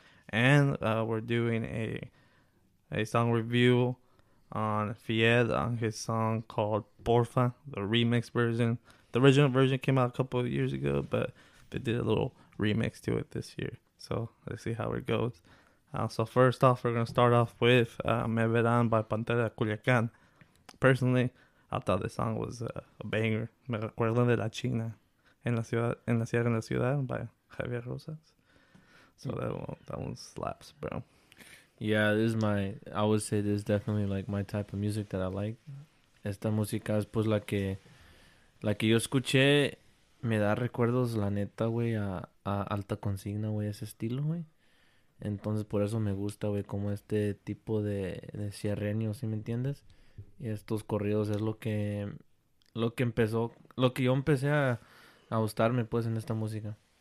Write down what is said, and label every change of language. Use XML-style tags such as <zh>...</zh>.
<en>And we're doing a song review on Fied on his song called Porfa, the remix version. The original version came out a couple of years ago, but they did a little remix to it this year. So let's see how it goes. So first off, we're going to start off with Me Verán by Pantera Culiacán. Personally, I thought this song was a banger.</en> <es>Me recuerdo de la China, en la ciudad, by Javier Rosas.</es> <en>So that one slaps, bro. Yeah, I would say this is definitely like my type of music that I like.</en> <es>Esta música es pues la que yo escuché. Me da recuerdos, la neta, güey, a Alta Consigna, güey, ese estilo, güey. Entonces, por eso me gusta, güey, como este tipo de sierreño, ¿sí me entiendes? Y estos corridos es lo que yo empecé a gustarme, pues, en esta música.</es>